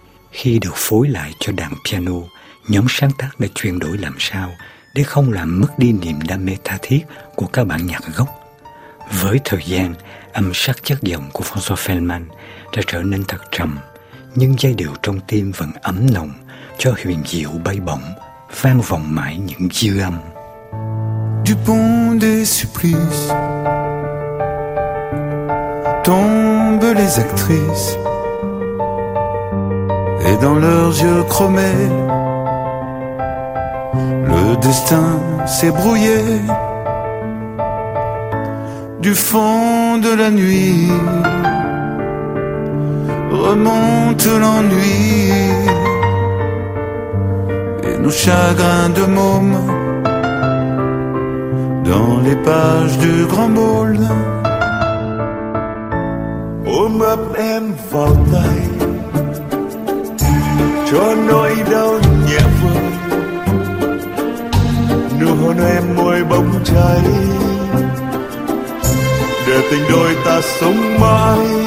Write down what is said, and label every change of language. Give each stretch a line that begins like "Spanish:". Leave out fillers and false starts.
Vietnamese: Khi được phối lại cho đàn piano, nhóm sáng tác đã chuyển đổi làm sao để không làm mất đi niềm đam mê tha thiết của các bản nhạc gốc. Với thời gian, âm sắc chất giọng của François Feldman đã trở nên thật trầm, nhưng giai điệu trong tim vẫn ấm nồng, cho huyền diệu bay bổng, vang vọng mãi những dư âm.
French: Du pont des supplices tombent les actrices, et dans leurs yeux chromés le destin s'est brouillé. Du fond de la nuit remonte l'ennui, et nos chagrins de môme dans les pages du grand bol.
Vietnamese: Ôm ấp em vào tay, cho nỗi đau nhẹ vơi, nụ hôn em môi bỗng cháy, để tình đôi ta sống mãi.